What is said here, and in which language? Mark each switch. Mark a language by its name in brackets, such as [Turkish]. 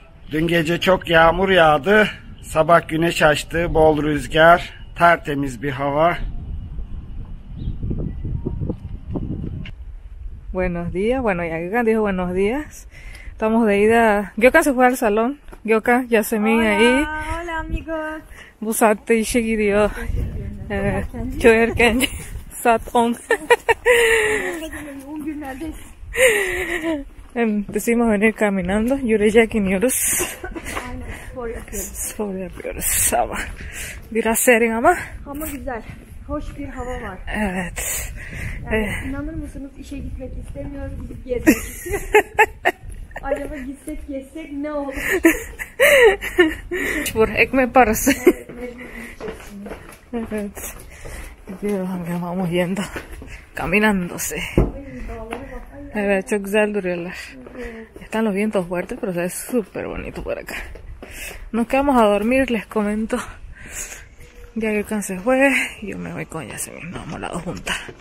[Turkish] Dün gece çok yağmur yağdı. Sabah güneş açtı, bol rüzgar, tertemiz bir hava. [Spanish] Buenos días, bueno, ya Gökhan dijo buenos días. Estamos de ida. Gökhan se fue al salón. Gökhan, Yasemin ahí. Hola, amigos. [Turkish] Bu saatte işe gidiyor. Çok erken. Saat 10. [Spanish] Decidimos venir caminando. [Turkish] Yürüyecek iniyoruz. Spor yapıyoruz. Spor yapıyoruz ama biraz serin ama. Ama güzel. Hoş bir hava var. Evet. Yani inanır mısınız, işe gitmek istemiyoruz, gidip gezmek istiyoruz. Acaba gitsek gezsek ne olur? Spor, ekmek parası. Evet, mecbur gideceksin. Evet. Gidiyoruz, [Spanish] vamos yendo. Caminándose. De verdad, [Turkish] çok güzel duruyorlar. [Spanish] Están los vientos fuertes, pero se ve súper bonito por acá. Nos quedamos a dormir, les comento. Ya que el cáncer fue, yo me voy con Yasemin. Nos vamos a las dos juntas.